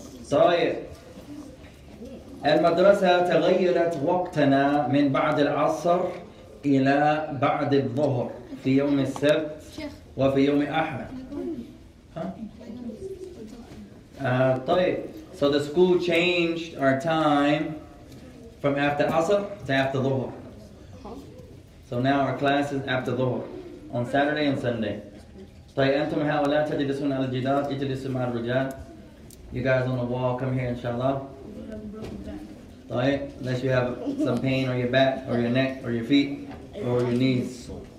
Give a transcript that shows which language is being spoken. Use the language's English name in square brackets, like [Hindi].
[Arabic] طيب المدرسة تغيرت وقتنا من بعد العصر إلى بعد الظهر في يوم السبت وفي يوم أحد. [English] طيب So the school changed our time from after Asr to after Dhuhr. Huh? So now our class is after Dhuhr on Saturday and Sunday. [Arabic] طيب هؤلاء تجلسون على الجدار اجلسوا مع الرجال. [English] You guys on the wall, come here inshallah. طيب unless you have some pain on your back or your neck or your feet or your knees.